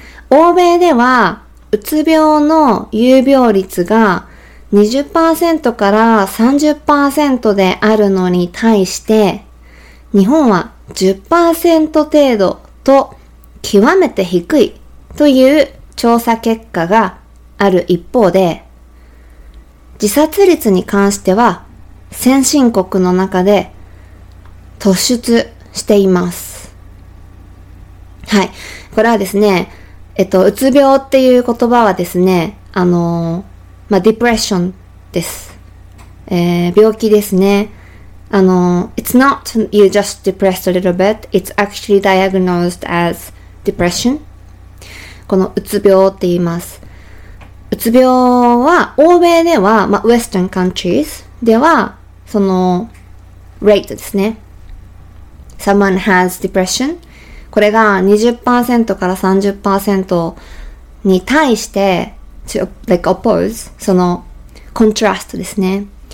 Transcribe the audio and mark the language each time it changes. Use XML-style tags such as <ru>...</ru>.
<ja>欧米では、うつ病の有病率が 20% から 30% であるのに対して、日本は 10% 程度と極めて低いという調査結果がある一方で、自殺率に関しては先進国の中で突出しています。はい。これはですね、うつ病っていう言葉はですね、まあ、ディプレッションです。病気ですね。</ja> <en>It's not you just depressed a little bit. It's actually diagnosed as depression.</en> <ja>このうつ病って言います。うつ病は、欧米では、まあ、</ja> <en>Western countries</en> <ja>では、その、rate ですね。</ja> <en>Someone has depression.</en> <ja>これが 20% から 30% に対して、</ja> <en>to, like, oppose,</en> <ja>その、contrast ですね。</ja>